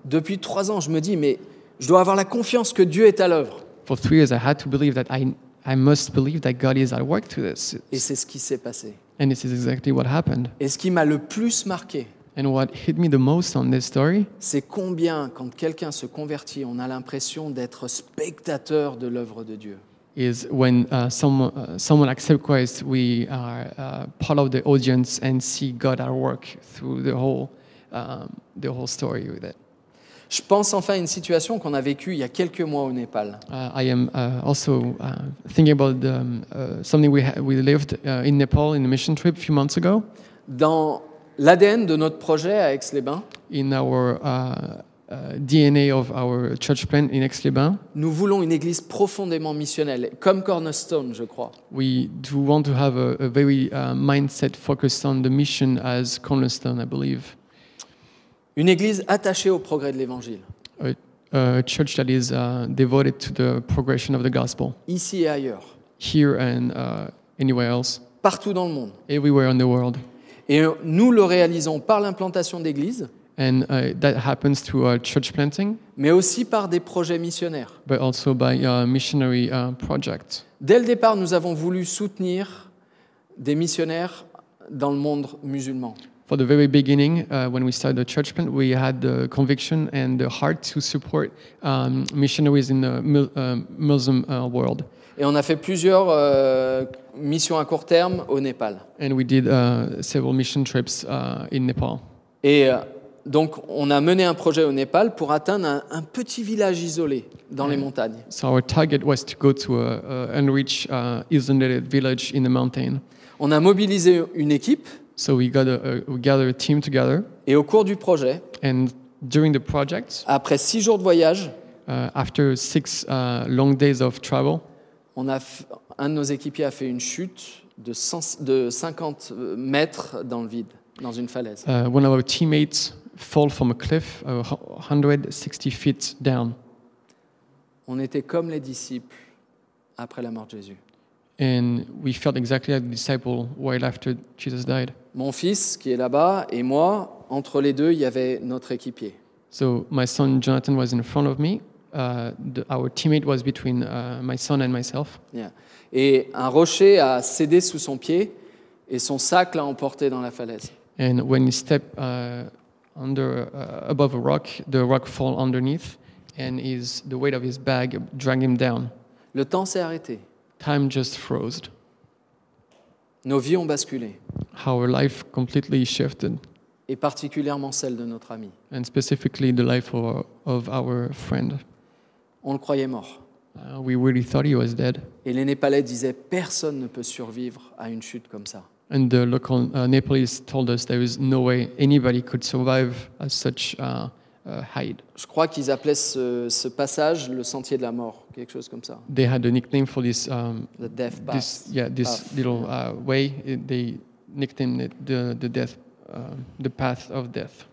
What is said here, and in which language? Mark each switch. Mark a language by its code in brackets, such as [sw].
[fr] Depuis 3 ans, je me dis, mais je dois avoir la confiance que Dieu est à l'œuvre. [en] For 3 years, I had to believe that I must believe that God is at work through this. [fr] Et c'est ce qui s'est passé. [en] And this is exactly what happened. [fr] Et ce qui m'a le plus marqué. [en] And what hit me the most on this story, [fr] c'est combien, quand quelqu'un se convertit, on a l'impression d'être spectateur de l'œuvre de Dieu. [en] Is when someone accepts Christ, we are part of the audience and see God at work through the whole story with it. [fr] Je pense enfin à une situation qu'on a vécue il y a quelques mois au Népal. [en] I am also thinking about something we lived in Nepal in a mission trip a few months ago. [fr] Dans l'ADN de notre projet à Aix-les-Bains. [en] In our DNA of our church plan in Aix-les-Bains. [fr] Nous voulons une église profondément missionnelle, comme Cornerstone, je crois. [en] We do want to have a very mindset focused on the mission as Cornerstone, I believe. [fr] Une église attachée au progrès de l'Évangile. [en] A church that is devoted to the progression of the gospel. [fr] Ici et ailleurs. [en] Here and anywhere else. [fr] Partout dans le monde. [en] Everywhere in the world. [fr] Et nous le réalisons par l'implantation d'églises, [en] and, that happens through our church planting, [fr] mais aussi par des projets missionnaires. [en] But also by missionary projects. [fr] Dès le départ, nous avons voulu soutenir des missionnaires dans le monde musulman. [en] for the very beginning, when we started the church plant, we had the conviction and the heart to support missionaries in the Muslim world. [fr] Et on a fait plusieurs missions à court terme au Népal. [en] And we did several mission trips in Nepal. [fr] Et donc on a mené un projet au Népal pour atteindre un petit village isolé dans les montagnes. [en] So our target was to go to an unreached isolated village in the mountain. [fr] On a mobilisé une équipe. [en] So we got we gathered a team together. [fr] Et au cours du projet, [en] and during the project, [fr] après 6 jours de voyage, [en] after 6 long days of travel, [fr] un de nos équipiers a fait une chute de 50 mètres dans le vide, dans une falaise. [en] One of our teammates fell from a cliff 160 feet down. [fr] On était comme les disciples après la mort de Jésus. [en] And we felt exactly like the disciples while after Jesus died. [fr] Mon fils qui est là-bas et moi, entre les deux, il y avait notre équipier. [en] So my son Jonathan was in front of me. Our teammate was between my son and myself. Yeah. [fr] Et un rocher a cédé sous son pied et son sac l'a emporté dans la falaise. [en] And when he stepped above a rock, the rock fell underneath and the weight of his bag dragged him down. [fr] Le temps s'est arrêté. [en] Time just froze. [fr] Nos vies ont basculé. [en] Our life completely shifted. [fr] Et particulièrement celle de notre ami. [en] And specifically the life of our friend. [fr] On le croyait mort. [en] We really thought he was dead. [fr] Et les Népalais disaient personne ne peut survivre à une chute comme ça. [en] And the local Nepalese told us there is no way anybody could survive at such height. [fr] Je crois qu'ils appelaient ce passage le sentier de la mort, quelque chose comme ça. [en] They had a nickname for this the death path. Way they nicknamed it the path of death.